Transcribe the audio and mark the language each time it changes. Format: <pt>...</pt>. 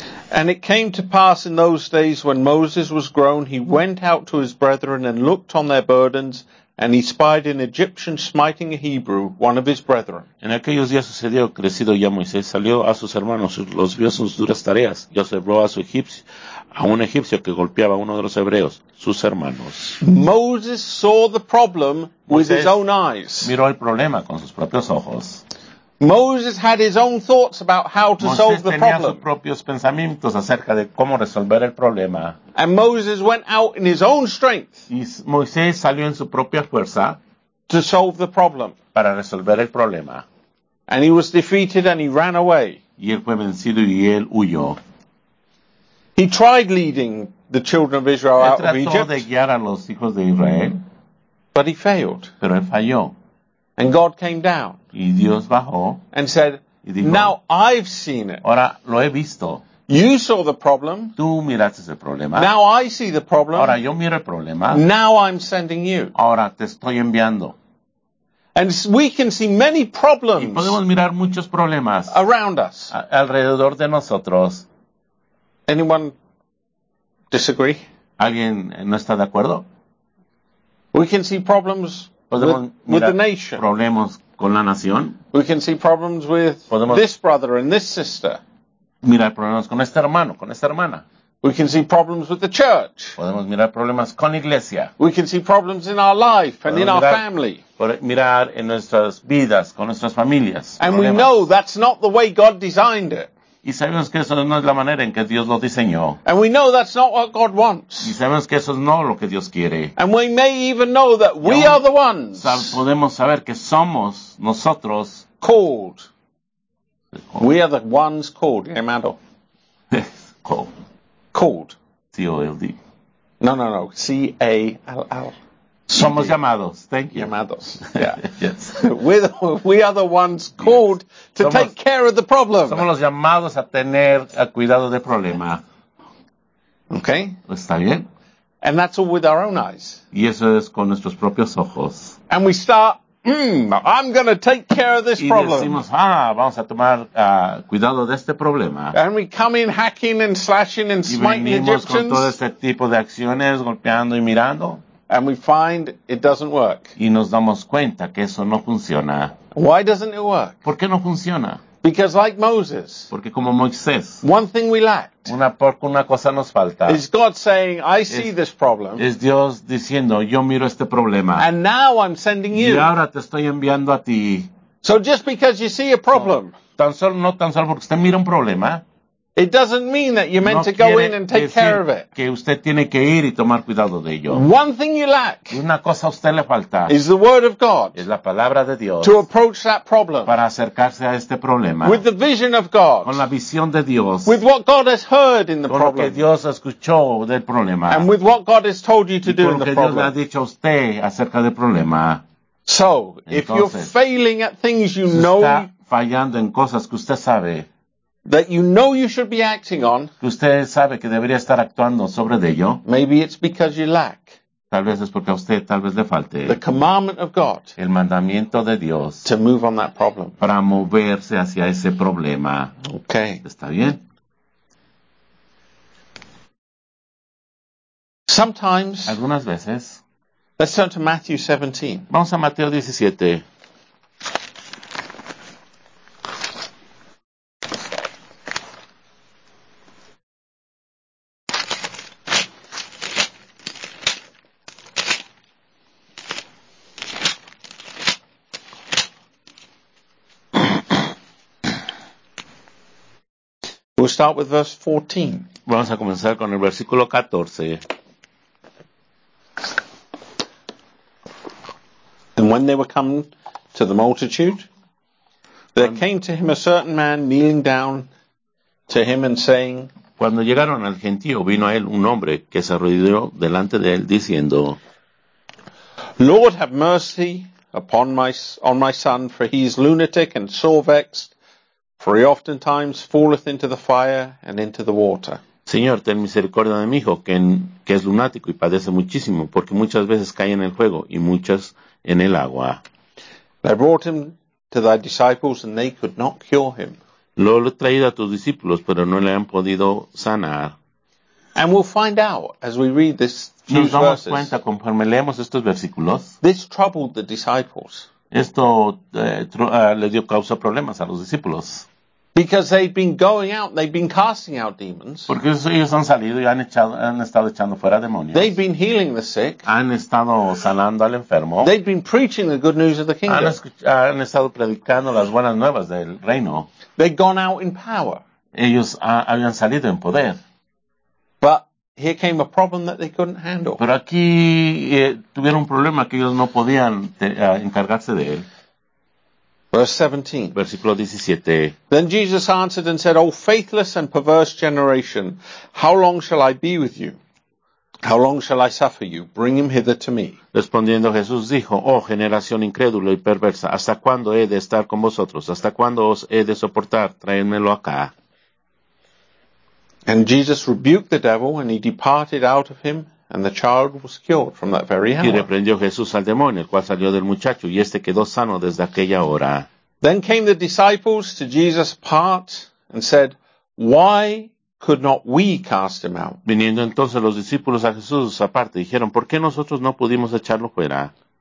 <en>And it came to pass in those days when Moses was grown, he went out to his brethren and looked on their burdens, and he spied an Egyptian smiting a Hebrew, one of his brethren.</en> <es>En aquellos días sucedió, crecido ya Moisés, salió a sus hermanos, los vio sus duras tareas, y observó a su egipcio, a un egipcio que golpeaba a uno de los hebreos, sus hermanos.</es> <en>Moses saw the problem with his own eyes.</en> <es>Miró el problema con sus propios ojos.</es> <en>Moses had his own thoughts about how to solve the problem.</en> <es>Moisés tenía sus propios pensamientos acerca de cómo resolver el problema.</es> <en>And Moses went out in his own strength.</en> <es>Y Moisés salió en su propia fuerza</es> <en>to solve the problem.</en> <es>Para resolver el problema.</es> <en>And he was defeated and he ran away.</en> <es>Y él fue vencido y él huyó.</es> <en>He tried leading the children of Israel out of Egypt.</en> <es>Trató de guiar a los hijos de Israel.</es> <en>But he failed.</en> <es>Pero él falló.</es> <en>And God came down</en> <es>y Dios bajó,</es> <en>and said,</en> <es>y dijo,</es> <en>now I've seen it.</en> <es>Ahora lo he visto.</es> <en>You saw the problem.</en> <es>Tú miraste el problema.</es> <en>Now I see the problem.</en> <es>Ahora yo miro el problema.</es> <en>Now I'm sending you.</en> <es>Ahora te estoy enviando.</es> <en>And we can see many problems</en> <es>y podemos mirar muchos problemas</es> <en>around us.</en> <es>Alrededor de nosotros.</es> <en>Anyone disagree?</en> <es>¿Alguien no está de acuerdo?</es> <en>We can see problems with the nation.</en> <es>Problemas con la nación.</es> <en>We can see problems with this brother and this sister.</en> <es>Mirar problemas con este hermano, con esta hermana.</es> <en>We can see problems with the church.</en> <es>Podemos mirar problemas con la iglesia.</es> <en>We can see problems in our life and</en> <es>podemos</es> <en>in our family.</en> <es>Mirar en nuestras vidas, con nuestras familias.</es> <en>And we know that's not the way God designed it.</en> <es>Y sabemos que eso no es la manera en que Dios lo diseñó.</es> <en>And we know that's not what God wants.</en> <es>Y sabemos que eso no es lo que Dios quiere.</es> <en>And we may even know that we are the ones.</en> <es>Podemos saber que somos nosotros.</es> <en>Called. We are the ones called. Yeah, Mando. Called. C-O-L-D. No. C-A-L-L.</en> <es>Somos llamados.</es> <en>Thank you.</en> <es>Llamados.</es> <en>Yeah. Yes. We are the ones called to take care of the problem.</en> <es>Somos los llamados a tener a cuidado del problema.</es> <en>Okay.</en> <es>Está bien.</es> <en>And that's all with our own eyes.</en> <es>Y eso es con nuestros propios ojos.</es> <en>And we start, I'm going to take care of this problem.</en> <es>Y decimos, vamos a tomar cuidado de este problema.</es> <en>And we come in hacking and slashing and smiting Egyptians.</en> <es>Y venimos con todo este tipo de acciones, golpeando y mirando.</es> <en>And we find it doesn't work.</en> <es>Y nos damos cuenta que eso no funciona.</es> <en>Why doesn't it work?</en> <es>¿Por qué no funciona?</es> <en>Because like Moses.</en> <es>Porque como Moisés.</es> <en>One thing we lacked.</en> <es>Una cosa nos falta.</es> <en>Is God saying, I see this problem.</en> <es>Es Dios diciendo, yo miro este problema.</es> <en>And now I'm sending you.</en> <es>Y ahora te estoy enviando a ti.</es> <en>So just because you see a problem.</en> <es>No tan solo porque usted mira un problema.</es> <en>It doesn't mean that you're meant</en> <es>no</es> <en>to go in and take care of it.</en> <es>Que usted tiene que ir y tomar cuidado de ello.</es> <en>One thing you lack.</en> <es>Una cosa a usted le falta.</es> <en>Is the word of God.</en> <es>Es la palabra de Dios.</es> <en>To approach that problem.</en> <es>Para acercarse a este problema.</es> <en>With the vision of God.</en> <es>Con la visión de Dios.</es> <en>With what God has heard in the</en> <es>con</es> <en>problem.</en> <es>Con lo que Dios escuchó del problema.</es> <en>And with what God has told you to do in the problem.</en> <es>Y con lo que Dios le ha dicho a usted acerca del problema.</es> <en>So, if you're failing at things you know.</en> <es>Está fallando en cosas que usted sabe.</es> <en>That you know you should be acting on.</en> <es>Usted sabe que debería estar actuando sobre de ello.</es> <en>Maybe it's because you lack.</en> <es>Tal vez es porque a usted tal vez le falte.</es> <en>The commandment of God.</en> <es>El mandamiento de Dios.</es> <en>To move on that problem.</en> <es>Para moverse hacia ese problema.</es> <en>Okay.</en> <es>¿Está bien?</es> <en>Sometimes.</en> <es>Algunas veces.</es> <en>Let's turn to Matthew 17.</en> <es>Vamos a Mateo 17.</es> <en>We'll start with verse 14.</en> <es>Vamos a comenzar con el versículo 14.</es> <en>And when they were come to the multitude, there came to him a certain man kneeling down to him and saying,</en> <es>cuando llegaron al gentío, vino a él un hombre que se arrodilló delante de él diciendo,</es> <en>Lord, have mercy upon my son, for he is lunatic and sore vexed. For he oftentimes falleth into the fire and into the water.</en> <es>Señor, ten misericordia de mi hijo, que es lunático y padece muchísimo, porque muchas veces cae en el fuego y muchas en el agua.</es> <en>They brought him to thy disciples, and they could not cure him.</en> <es>Lo he traído a tus discípulos, pero no le han podido sanar.</es> <en>And we'll find out as we read this few verses.</en> <es>Nos damos</es> <en>verses.</en> <es>Cuenta conforme leemos estos versículos.</es> <en>This troubled the disciples.</en> <es>Esto le dio causa problemas a los discípulos.</es> <en>Because they've been going out, they've been casting out demons.</en> <es>Porque ellos han salido y han estado echando fuera demonios.</es> <en>They've been healing the sick.</en> <es>Han estado sanando al enfermo.</es> <en>They've been preaching the good news of the kingdom.</en> <es>Han estado predicando las buenas nuevas del reino.</es> <en>They've gone out in power.</en> <es>Ellos habían salido en poder.</es> <en>But here came a problem that they couldn't handle.</en> <es>Pero aquí tuvieron un problema que ellos no podían encargarse de él.</es> <en>Verse 17.</en> <es>Versículo 17.</es> <en>Then Jesus answered and said, O faithless and perverse generation, how long shall I be with you? How long shall I suffer you? Bring him hither to me.</en> <es>Respondiendo Jesús dijo, Oh generación incrédula y perversa, ¿hasta cuándo he de estar con vosotros? ¿Hasta cuándo os he de soportar? Tráenmelo acá.</es> <en>And Jesus rebuked the devil and he departed out of him. And the child was cured from that very hour.</en> <es>Y reprendió Jesús al demonio, el cual salió del muchacho, y este quedó sano desde aquella hora.</es> <en>Then came the disciples to Jesus apart and said, Why could not we cast him out?</en> <es>Viniendo entonces los discípulos a Jesús aparte, dijeron, ¿Por qué nosotros no pudimos echarlo fuera?</es>